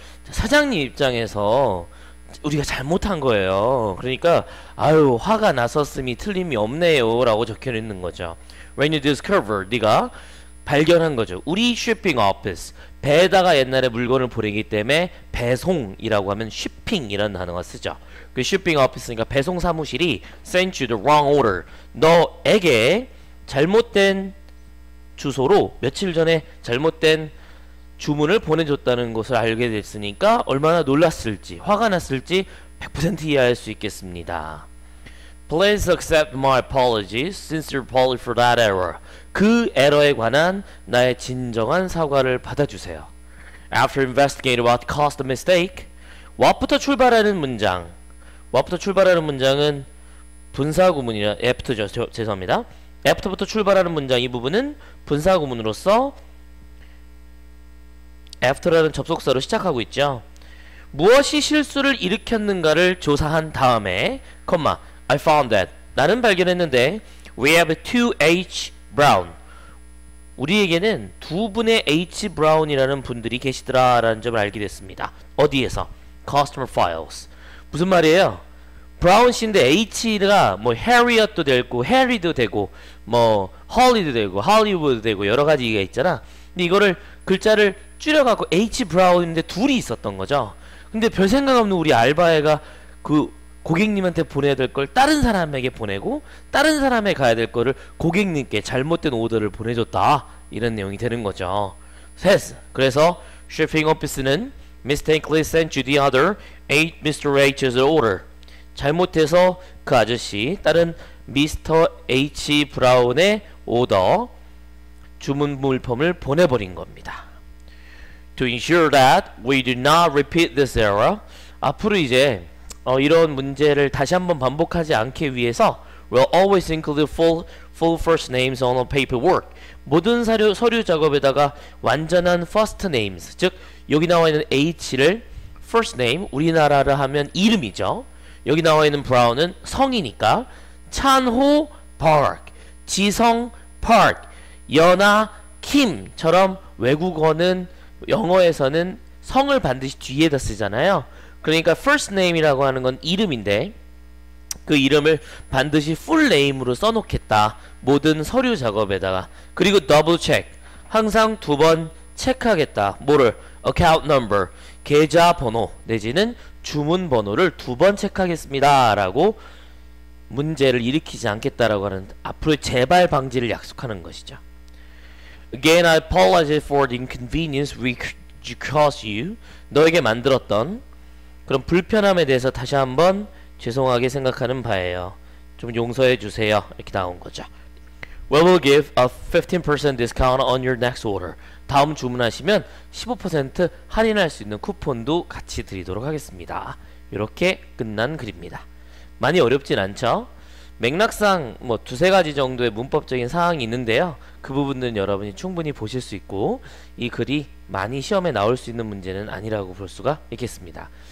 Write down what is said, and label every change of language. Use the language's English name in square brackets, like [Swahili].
[Korean] 사장님 입장에서 우리가 잘못한 거예요. 그러니까 아유 화가 나섰음이 틀림이 없네요라고 적혀 있는 거죠. [English] When you discover, [Korean] 네가 발견한 거죠. 우리 shipping office 배에다가 옛날에 물건을 보내기 때문에 배송이라고 하면 shipping 이런 단어가 쓰죠. 그 shipping office니까 배송 사무실이 [English] sent you the wrong order. [Korean] 너에게 잘못된 주소로 며칠 전에 잘못된 주문을 보내줬다는 것을 알게 됐으니까 얼마나 놀랐을지, 화가 났을지 100% 이해할 수 있겠습니다. [English] Please accept my apologies, sincere apology for that error. [Korean] 그 에러에 관한 나의 진정한 사과를 받아주세요. [English] After investigating what caused the mistake, [Korean] what부터 출발하는 문장. what부터 출발하는 문장은 분사구문이라, after죠. 죄송합니다. after부터 출발하는 문장, 이 부분은 분사구문으로서 after라는 접속사로 시작하고 있죠. 무엇이 실수를 일으켰는가를 조사한 다음에, 콤마, [English] I found that. [Korean] 나는 발견했는데, [English] we have two H brown. [Korean] 우리에게는 두 분의 H brown이라는 분들이 계시더라라는 점을 알게 됐습니다. 어디에서? customer files. 무슨 말이에요? brown 씨인데 H가 뭐 Harriet도 되고, Harry도 되고, 뭐 Holly도 되고, Hollywood도 되고 여러 가지가 있잖아. 근데 이거를 글자를 줄여갖고 H 브라운인데 둘이 있었던 거죠. 근데 별 생각 없는 우리 알바애가 그 고객님한테 보내야 될걸 다른 사람에게 보내고 다른 사람에 가야 될 거를 고객님께 잘못된 오더를 보내줬다 이런 내용이 되는 거죠. 셋. 그래서 [English] shipping office는 mistakenly sent you the other H, Mr. H's order. [Korean] 잘못해서 그 아저씨 다른 미스터 H 브라운의 오더 주문 물품을 보내버린 겁니다. [English] To ensure that we do not repeat this error, [Korean] 앞으로 이제 이런 문제를 다시 한번 반복하지 않기 위해서 [English] we'll always include full first names on a paperwork. [Korean] 모든 서류 작업에다가 완전한 first names, 즉 여기 나와 있는 H를 first name, 우리나라를 하면 이름이죠. 여기 나와 있는 brown은 성이니까 찬호 park, 지성 park, 연아 kim처럼 외국어는 영어에서는 성을 반드시 뒤에다 쓰잖아요. 그러니까 first name이라고 하는 건 이름인데 그 이름을 반드시 full name으로 써놓겠다. 모든 서류 작업에다가. 그리고 [English] double check. [Korean] 항상 두번 체크하겠다. 뭐를? account number. 계좌번호 내지는 주문번호를 두번 체크하겠습니다. 라고 문제를 일으키지 않겠다라고 하는 앞으로 재발 방지를 약속하는 것이죠. [English] Again, I apologize for the inconvenience we caused you. [Korean] 너에게 만들었던 그런 불편함에 대해서 다시 한번 죄송하게 생각하는 바예요. 좀 용서해 주세요. 이렇게 나온 거죠. [English] We will give a 15% discount on your next order. [Korean] 다음 주문하시면 15% 할인할 수 있는 쿠폰도 같이 드리도록 하겠습니다. 이렇게 끝난 글입니다. 많이 어렵진 않죠? 맥락상 뭐 두세 가지 정도의 문법적인 사항이 있는데요. 그 부분들은 여러분이 충분히 보실 수 있고, 이 글이 많이 시험에 나올 수 있는 문제는 아니라고 볼 수가 있겠습니다.